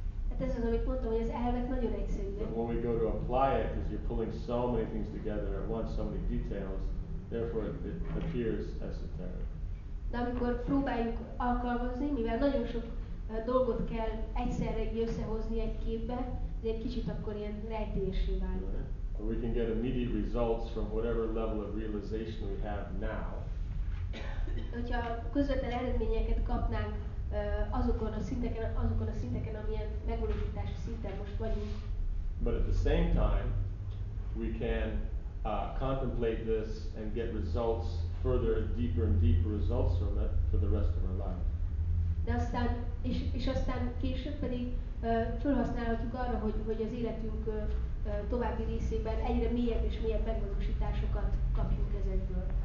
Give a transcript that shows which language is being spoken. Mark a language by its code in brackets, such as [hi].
[hu] Hát ez az, amit mondtam, hogy az elvek nagyon egyszerűek. [en] But when we go to apply it, because you're pulling so many things together at once, so many details, therefore it appears esoteric. [hu] De amikor próbáljuk alkalmazni, mivel nagyon sok dolgot kell egyszerre összehozni egy képbe, ezért kicsit akkor ilyen rejtélyessé válik. [en] Right. We can get immediate results from whatever level of realization we have now. [hu] Hogyha közvetlen eredményeket kapnánk azokon a szinteken, amilyen megvalósítási szinten most vagyunk. [en] But at the same time, we can contemplate this and get results further deeper and deeper results from it for the rest of our life. [hu] De aztán, és aztán később pedig felhasználhatjuk arra, hogy az életünk további részében egyre mélyebb és mélyebb megvalósításokat kapjunk ezekből.